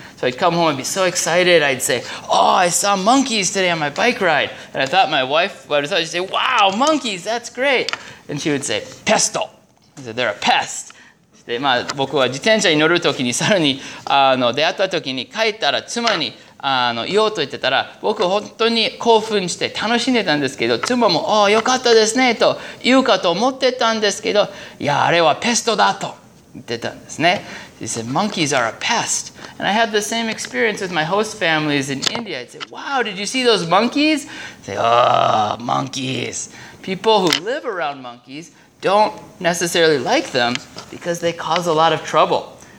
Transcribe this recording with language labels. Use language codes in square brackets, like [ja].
[en] So I'd come home and be so excited. I'd say, oh, I saw monkeys today on my bike ride. And I thought my wife, she'd say, wow, monkeys, that's great. And she would say, pesto. I said, they're a pest. [ja] で、まあ、僕は自転車に乗る時に猿に、出会った時に帰ったら妻に、言おうと言ってたら、僕本当に興奮して楽しんでたんですけど、妻も、ああ、よかったですね、と言うかと思ってたんですけど、いや、あれはペストだ、と言ってたんですね。 [en] He said, monkeys are a pest. And I had the same experience with my host families in India. I'd say, wow, did you see those monkeys? They'd say, oh, monkeys. People who live around monkeys don't necessarily like them because they cause a lot of trouble.